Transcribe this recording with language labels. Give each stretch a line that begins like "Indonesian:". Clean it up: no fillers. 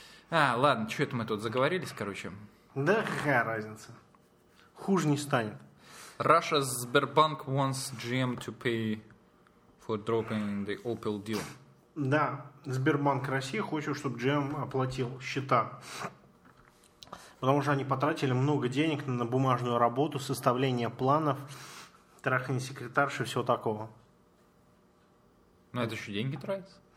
Russian: А, ладно, что-то мы тут заговорились, короче. Да какая разница. Хуже не станет.
English: Russia Sberbank wants GM to pay for dropping the Opel deal.
Russian: Да, Сбербанк России хочет, чтобы GM оплатил счета. Потому что они потратили много денег на бумажную работу, составление планов, трахание секретарши и всего такого. Но это еще деньги тратится?